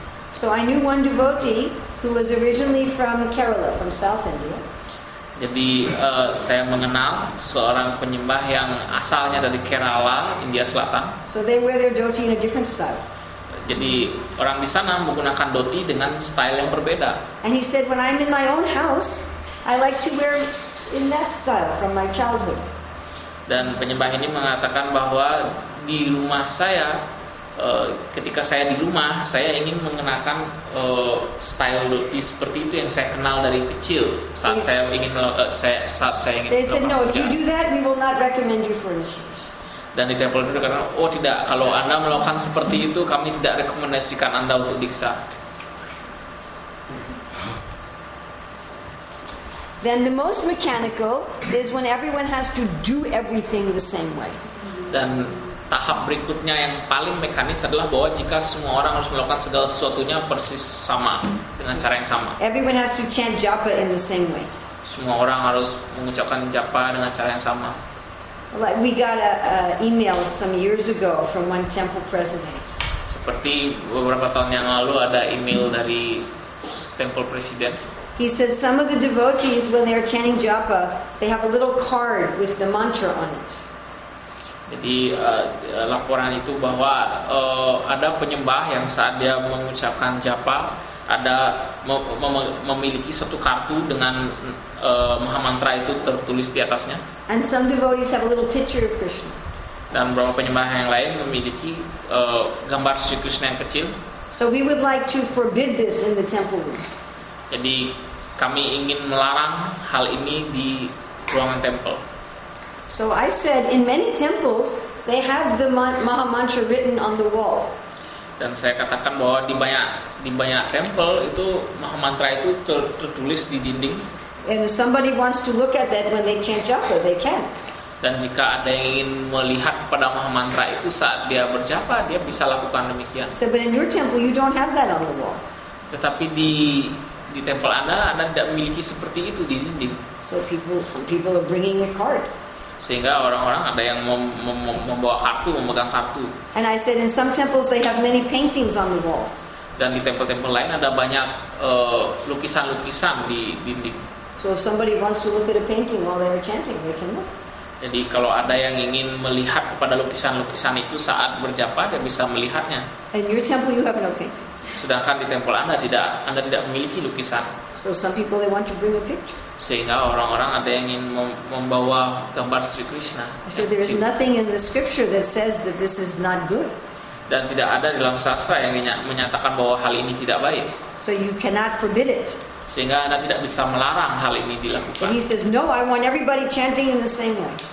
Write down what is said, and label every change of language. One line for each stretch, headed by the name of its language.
English: So I knew one devotee who was originally from Kerala, from South India.
Indonesian: Jadi saya mengenal seorang penyembah yang asalnya dari Kerala, India Selatan.
English: So they wear their dhoti in a different style.
Indonesian: Jadi orang di sana menggunakan dhoti dengan style yang berbeda.
English: And he said, when I'm in my own house, I like to wear in that style from my childhood.
Indonesian: Dan penyembah ini mengatakan bahwa di rumah saya, ketika saya di rumah, saya ingin mengenakan style dhoti seperti itu yang saya kenal dari kecil saat saya ingin saat saya ingin.
English: They said no, if you do that, we will not recommend you for this.
Indonesian: Dan di temple itu karena oh tidak, kalau Anda melakukan seperti itu, kami tidak rekomendasikan Anda untuk diksa.
English: Then the most mechanical is when everyone has to do everything the same way.
Indonesian: Dan tahap berikutnya yang paling mekanis adalah bahwa jika semua orang harus melakukan segala sesuatunya persis sama dengan cara yang sama.
English: Everyone has to chant japa in the same way.
Indonesian: Semua orang harus mengucapkan japa dengan cara yang sama.
English: Like we got a email some years ago from one temple president.
Indonesian: Seperti beberapa tahun yang lalu ada email dari temple president.
English: He said some of the devotees when they are chanting japa, they have a little card with the mantra on it.
Indonesian: Jadi laporan itu bahwa ada penyembah yang saat dia mengucapkan japa ada memiliki satu kartu dengan mahamantra itu tertulis di atasnya.
English: And some devotees have a little picture of Krishna.
Indonesian: Dan beberapa penyembah yang lain memiliki gambar Sri Krishna yang kecil.
English: So we would like to forbid this in the temple room.
Indonesian: Jadi kami ingin melarang hal ini di ruangan temple.
English: So I said, in many temples, they have the maha mantra written on the wall.
Indonesian: Dan saya katakan bahwa di banyak temple itu maha mantra itu tertulis di dinding.
English: And if somebody wants to look at that when they chant japa, they can.
Indonesian: Dan jika ada yang ingin melihat pada maha mantra itu saat dia berjapa, dia bisa lakukan demikian.
English: So, but in your temple, you don't have that on the wall.
Indonesian: Tetapi di temple Anda tidak memiliki seperti itu di dinding.
English: So some people are bringing a card.
Indonesian: Sehingga orang-orang ada yang membawa kartu, memegang kartu.
English: And I said in some temples they have many paintings on the walls.
Indonesian: Dan di tempel-tempel lain ada banyak lukisan-lukisan di dinding.
English: So if somebody wants to look at a painting while they are chanting, they can look.
Indonesian: Jadi kalau ada yang ingin melihat kepada lukisan-lukisan itu saat berjapa, dia bisa melihatnya.
English: In your temple you have no painting.
Indonesian: Sedangkan di tempel Anda tidak memiliki lukisan.
English: So some people they want to bring a picture.
Indonesian: Sehingga orang-orang ada yang ingin membawa gambar Sri Krishna.
English: So there is nothing in the scripture that says that this is not good.
Indonesian: Dan tidak ada dalam sastra yang menyatakan bahwa hal ini tidak baik.
English: So you cannot forbid it.
Indonesian: Sehingga Anda tidak bisa melarang hal ini dilakukan.
English: And he says, no, I want everybody chanting in the same way.